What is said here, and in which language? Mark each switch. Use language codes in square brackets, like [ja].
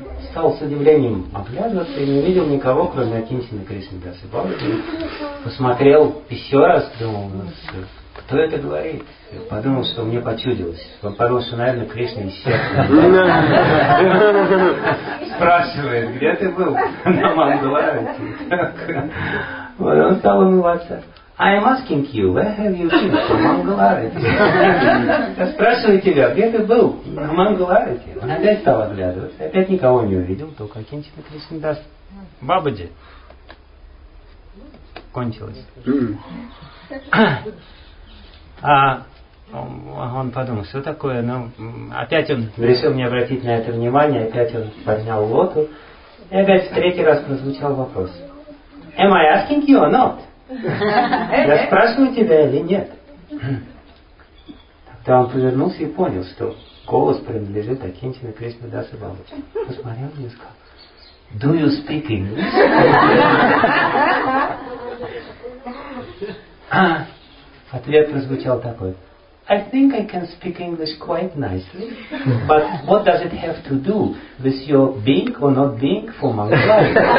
[ru] Стал с удивлением оглядываться и не видел никого, кроме Акинчины Кришнадаса Бхагавати. Посмотрел еще раз, думал, кто это говорит? Подумал, что мне почудилось. Подумал, что, наверное, Кришна исчез. Спрашивает, где ты был на Мангаларати? Вот он стал умываться. [en] I am asking you, where have you been from Мангаларати? [ru] Я спрашиваю тебя, где ты был на Мангаларати? Он опять стал оглядываться. Опять никого не увидел, только Акинчина Кришнадаса Бхагавати. Кончилось. Он подумал, что такое, но опять он решил не обратить на это внимание, опять он поднял лоту, и опять в третий раз прозвучал вопрос. [en] Am I asking you or not? [ru] Я спрашиваю тебя или нет? Тогда он повернулся и понял, что голос принадлежит Акинчина Кришнадаса Бхагавати. Посмотрел и сказал, [en] Do you speak English? [ru] Ответ прозвучал такой. [en] I think I can speak English quite nicely, but what does it have to do with your being or not being for Mangalai?